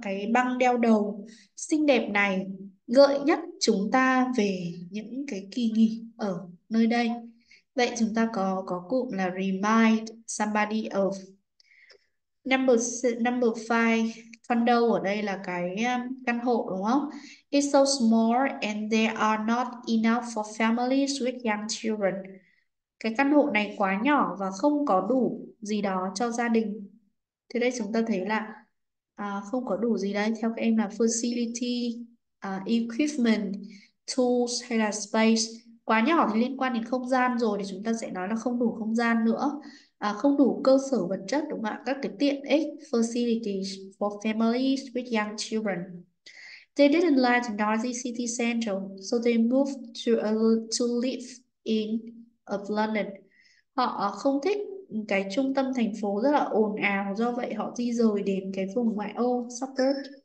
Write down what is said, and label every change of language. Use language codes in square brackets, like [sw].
[vi] Cái băng đeo đầu xinh đẹp này gợi nhắc chúng ta về những cái kỳ nghỉ ở nơi đây. Vậy chúng ta có cụm là remind somebody of. [en] Number five, [vi] condo ở đây là cái căn hộ, đúng không? [en] It's so small and there are not enough for families with young children. [vi] Cái căn hộ này quá nhỏ và không có đủ gì đó cho gia đình. Thế đây chúng ta thấy là không có đủ gì đây. Theo các em là facility, equipment, tools hay là space. Quá nhỏ thì liên quan đến không gian rồi, thì chúng ta sẽ nói là không đủ không gian nữa. Không đủ cơ sở vật chất, đúng không ạ? Các cái tiện ích, [en] facilities for families with young children. They didn't like the noisy city central, so they moved to live in of London. [vi] Họ không thích cái trung tâm thành phố rất là ồn ào, do vậy họ di rời đến cái vùng ngoại ô suburb.